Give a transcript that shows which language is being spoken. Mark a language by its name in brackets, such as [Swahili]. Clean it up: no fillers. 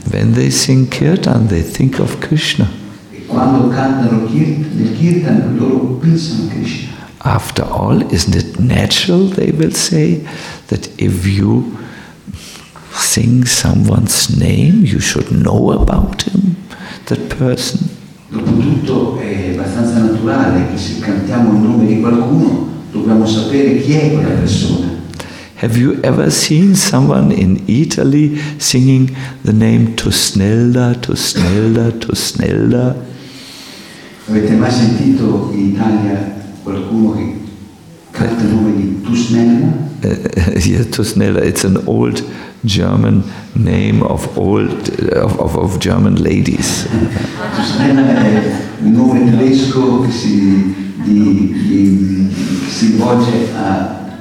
[English] When they sing kirtan, they think of Krishna. [Italian] Quando cantano nel kirtan, loro pensano a Krishna. [English] After all, isn't it natural, they will say, that if you sing someone's name, you should know about him, that person? [Italian] Dopotutto è abbastanza naturale che se cantiamo il nome di qualcuno, dobbiamo sapere chi è quella persona. [English] Have you ever seen someone in Italy singing the name Tusnelda, Tusnelda, Tusnelda? [Italian] Avete mai sentito in Italia qualcuno che canta il nome di Tusnelda? [English] Yeah, Tusnelda, it's an old German name of old of German ladies. [Italian] Tusnelda è un nome tedesco che si rivolge a